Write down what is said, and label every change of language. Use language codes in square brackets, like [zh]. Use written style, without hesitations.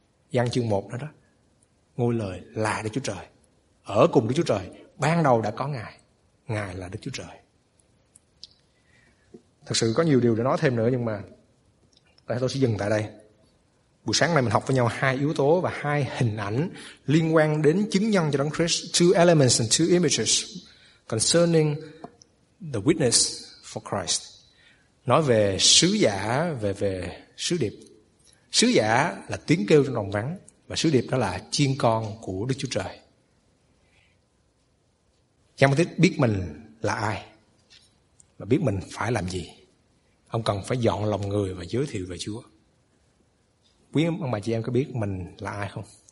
[vi] Giăng chương 1 đó, ngôi lời là Đức Chúa Trời, ở cùng Đức Chúa Trời, ban đầu đã có Ngài. Ngài là Đức Chúa Trời. Thật sự có nhiều điều để nói thêm nữa, nhưng mà tôi sẽ dừng tại đây. Buổi sáng nay mình học với nhau hai yếu tố và hai hình ảnh liên quan đến chứng nhân cho Đấng Christ. [en] Two elements and two images concerning the witness for Christ. [vi] Nói về sứ giả, về sứ điệp. Sứ giả là tiếng kêu trong đồng vắng, và sứ điệp đó là chiên con của Đức Chúa Trời. Giăng Báp-tít biết mình là ai và biết mình phải làm gì. Ông cần phải dọn lòng người và giới thiệu về Chúa. Quý ông bà chị em có biết mình là ai không?